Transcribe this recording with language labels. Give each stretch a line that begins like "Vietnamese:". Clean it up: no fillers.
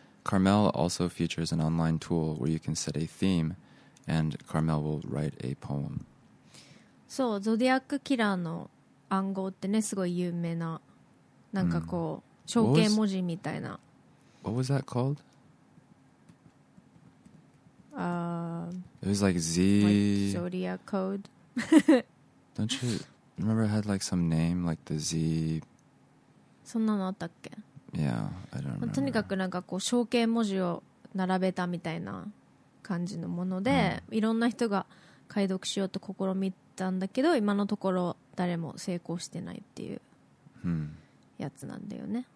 English: Carmel also features an online tool where you can set a theme and Carmel will write a poem.
Japanese: そう、ゾディアックキラーの暗号ってね、すごい有名な、なんかこう、象形文字みたいな。
English: What was that called? It was like Z. Like Zodiac code. Don't you remember it had like some name, like the Z.
Japanese: そんなのあったっけ?
English: Yeah, I don't remember.
Japanese: とにかくなんかこう象形文字を並べたみたいな感じのもので、いろんな人が解読しようと試みたんだけど、今のところ誰も成功してないっていう。やつなんだよね。